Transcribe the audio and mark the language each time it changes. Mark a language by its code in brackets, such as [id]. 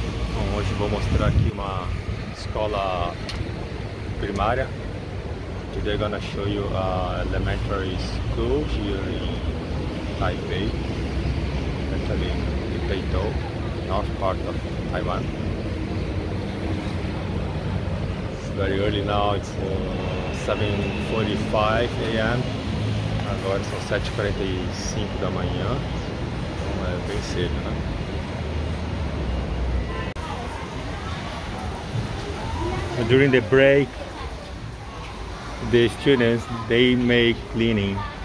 [pt] Então, hoje vou mostrar aqui uma escola primária. [en] Today I'm gonna show you a elementary school here in Taipei. Actually, in Beitou, north part of Taiwan. It's very early now. It's 7:45 a.m. [pt] Agora são 7:45 da manhã, então é bem cedo, né? [en] So during the break, the students, they make cleaning.